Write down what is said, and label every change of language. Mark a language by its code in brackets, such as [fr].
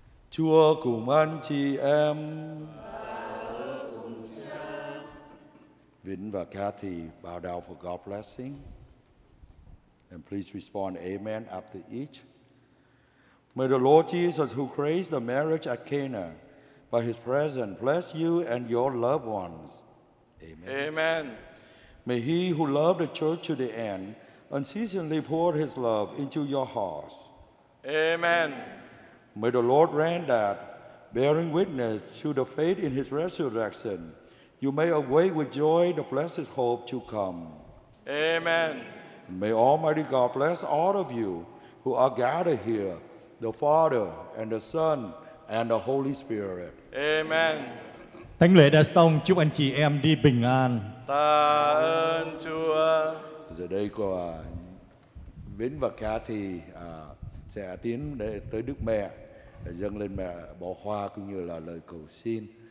[vi] Chúa cùng anh chị em. [en] Vĩnh và Kathy bow down for God's blessing. And please respond amen after each. May the Lord Jesus, who created the marriage at Cana, by his presence bless you and your loved ones. Amen. Amen. May he who loved the church to the end unceasingly pour his love into your hearts. Amen. May the Lord grant that, bearing witness to the faith in his resurrection, you may awake with joy the blessed hope to come. Amen. May Almighty God bless all of you who are gathered here, the Father and the Son and the Holy Spirit. Amen. [vi] Thánh lễ đã xong, chúc anh chị em đi bình an. Tạ ơn Chúa. Giờ đây của Vĩnh và Kha thì sẽ tiến để tới Đức Mẹ để dâng lên Mẹ bó hoa cũng như là lời cầu xin.